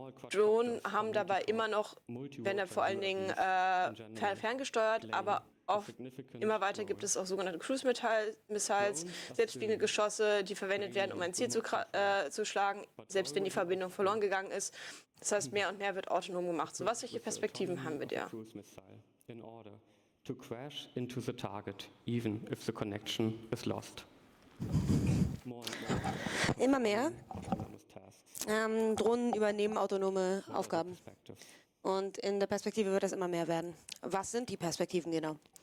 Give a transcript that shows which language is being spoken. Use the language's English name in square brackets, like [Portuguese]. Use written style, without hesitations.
[German] Drohnen haben dabei immer noch, wenn er vor allen Dingen ferngesteuert, aber auch immer weiter gibt es auch sogenannte Cruise-Missiles, selbstfliegende Geschosse, die verwendet werden, um ein Ziel zu schlagen, selbst wenn die Verbindung verloren gegangen ist. Das heißt, mehr und mehr wird autonom gemacht. So, was welche Perspektiven haben wir da? [English] In order to crash into the target, even if the connection is lost. [German] Immer mehr. Drohnen übernehmen autonome Aufgaben. Und in der Perspektive wird das immer mehr werden. Was sind die Perspektiven genau?